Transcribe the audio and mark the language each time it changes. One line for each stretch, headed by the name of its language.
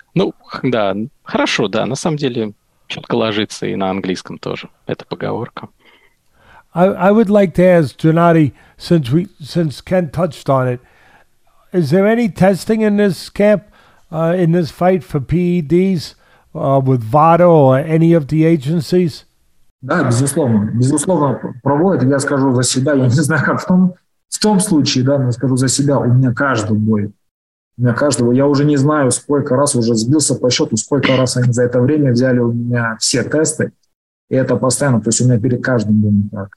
Russian: Ну, да, хорошо, да, на самом деле четко ложится и на английском тоже эта поговорка.
English: I would like to ask Gennady, since Ken touched on it, is there any testing in this camp, in this fight for PEDs with VADO or any of the agencies?
Russian: Да, безусловно. Безусловно проводят. Я скажу за себя, я не знаю, как в том случае, да, но скажу за себя, у меня каждый бой. У меня каждого, я уже не знаю, сколько раз уже сбился по счету, сколько раз они за это время взяли у меня все тесты, и это постоянно, то есть у меня перед каждым было так.